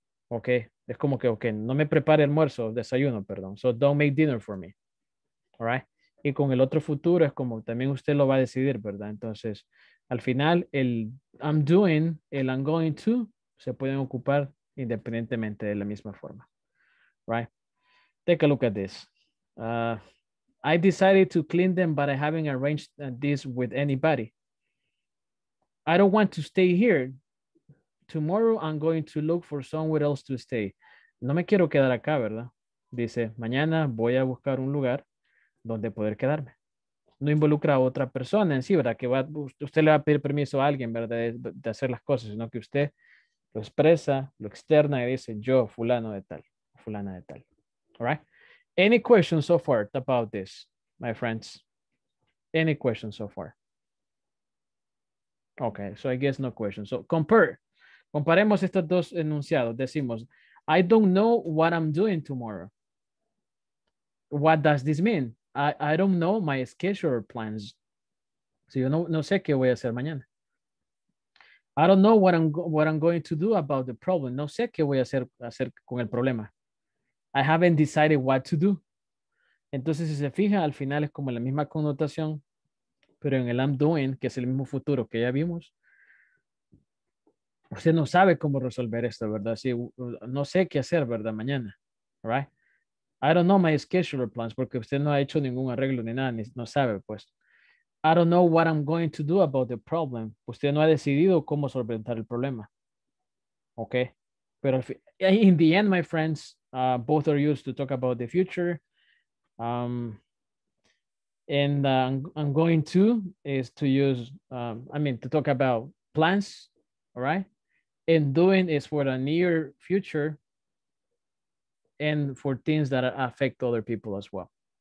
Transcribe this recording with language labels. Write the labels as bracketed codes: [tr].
[es] Okay, es como que, okay, no me prepare almuerzo, desayuno, perdón. [en] So don't make dinner for me, all right? [es] Y con el otro futuro es como también usted lo va a decidir, ¿verdad? Entonces, al final, el I'm doing, el I'm going to, se pueden ocupar independientemente de la misma forma. [en] Right? Take a look at this. I decided to clean them, but I haven't arranged this with anybody. I don't want to stay here. Tomorrow, I'm going to look for somewhere else to stay. [es] No me quiero quedar acá, ¿verdad? Dice, mañana voy a buscar un lugar donde poder quedarme. No involucra a otra persona en sí, ¿verdad? Que va, usted le va a pedir permiso a alguien, ¿verdad? De hacer las cosas, sino que usted lo expresa, lo externa y dice, yo, fulano de tal, fulana de tal. [en] All right? Any questions so far about this, my friends? Any questions so far? Okay, so I guess no questions. So compare. [es] Comparemos estos dos enunciados. [en] Decimos, I don't know what I'm doing tomorrow. What does this mean? I don't know my schedule plans. So you know, [es] no sé qué voy a hacer mañana. [en] I don't know what I'm going to do about the problem. [es] No sé qué voy a hacer con el problema. [en] I haven't decided what to do. [es] Entonces, si se fija, al final es como la misma connotación, pero en el I'm doing, que es el mismo futuro que ya vimos, usted no sabe cómo resolver esto, ¿verdad? Sí, no sé qué hacer, ¿verdad? Mañana. All right? [en] I don't know my schedule plans, [es] porque usted no ha hecho ningún arreglo ni nada, ni no sabe, pues. [en] I don't know what I'm going to do about the problem. [es] Usted no ha decidido cómo solventar el problema. [en] Okay? Pero in the end, my friends, both are used to talk about the future. I'm going to is to use, to talk about plans, all right? And doing is for the near future. And for things that affect other people as well.